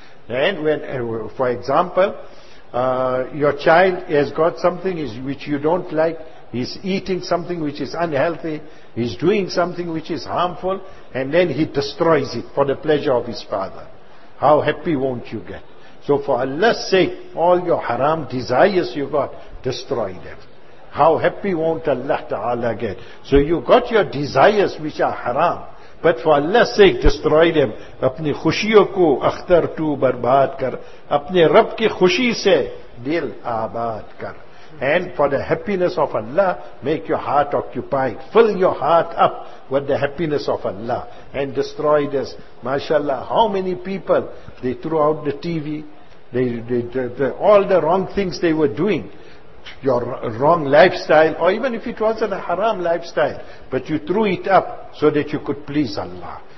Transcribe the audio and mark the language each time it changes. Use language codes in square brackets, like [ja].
[en] And when for example your child has got something which you don't like, he's eating something which is unhealthy, he's doing something which is harmful, and then he destroys it for the pleasure of his father, how happy won't you get? So for Allah's sake, all your haram desires you got, destroy them. How happy won't Allah Ta'ala get? So you got your desires which are haram. But for Allah's sake, destroy them. [ur] اپنی خوشیوں کو اختر تو برباد کر اپنے رب کی خوشی سے دل آباد کر. [en] And for the happiness of Allah, make your heart occupied. Fill your heart up with the happiness of Allah. And destroy this. MashaAllah, how many people, they threw out the TV, they all the wrong things they were doing. Your wrong lifestyle, or even if it wasn't a haram lifestyle, but you threw it up so that you could please Allah.